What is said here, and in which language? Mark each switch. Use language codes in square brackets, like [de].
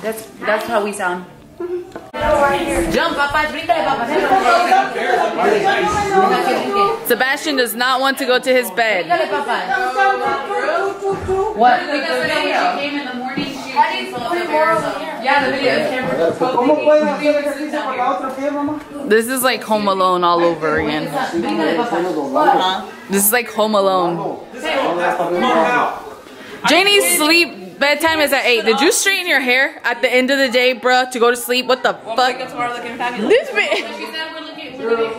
[en] That's how we sound. Sebastian does not want to go to his bed. What? Because the day she came in the morning, she Why do you put more on here? Yeah, the video camera. [es] ¿Cómo puede hacer ejercicio con la otra pie, mamá? [en] This is like Home Alone all over again. This is like Home Alone. Janie's sleep bedtime is at 8. Did you straighten your hair at the end of the day, bruh, to go to sleep? What the fuck? We'll wake up tomorrow looking fabulous. This bitch.